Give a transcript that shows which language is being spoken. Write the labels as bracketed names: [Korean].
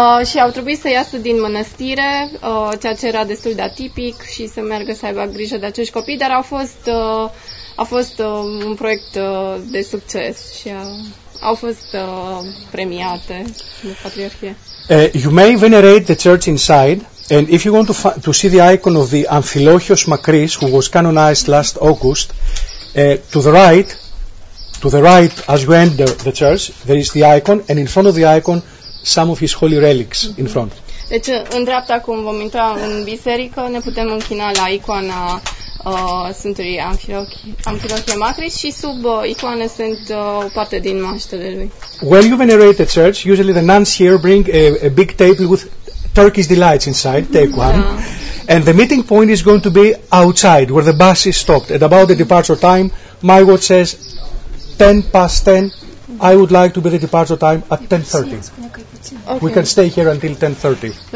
[Romanian] și au trebuit să iasă din mănăstire, ceea ce era destul de atipic, și să meargă să aibă grijă de acești copii, dar a fost un proiect de succes și au fost premiate de Patriarhie. [English] You may venerate the church inside, and if you want to see the icon of the Amphilochios Macris, who was canonized last August, to the right as you enter the church, there is the icon, and in front of the icon some of his holy relics in front. [Romanian] Deci în dreapta, cum vom intra în biserică, ne putem închina la icoana Sfântului Amfilochie Macris, și sub icoane sunt o parte din maștele lui. [English] When you venerate the church, usually the nuns here bring a big table with Turkish delights inside, take one. And the meeting point is going to be outside, where the bus is stopped. At about the departure time, my watch says 10 past 10. I would like to be the departure time at 10:30. Okay. We can stay here until 10:30.